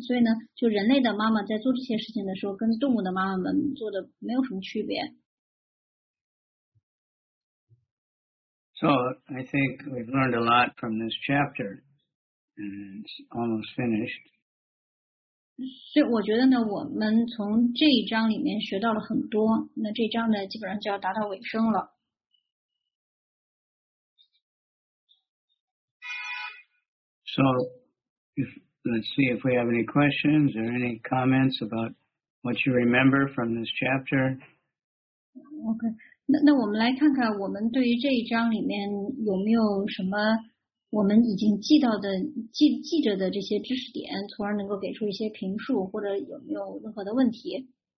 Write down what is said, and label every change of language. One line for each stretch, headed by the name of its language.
Chinese: 所以呢，就人类的妈妈在做这些事情的时候，跟动物的妈妈们做的没有什么区别。
English: So I think we've learned a lot from this chapter, and it's almost finished.
Chinese: 所以我觉得呢，我们从这一章里面学到了很多。那这章呢，基本上就要达到尾声了。
English: So, let's see if we have any questions or any comments about what you remember from this chapter.
Chinese: OK, 那我们来看看我们对于这一章里面有没有什么。我们已经记着的这些知识点，从而能够给出一些评述，或者有没有任何的问题？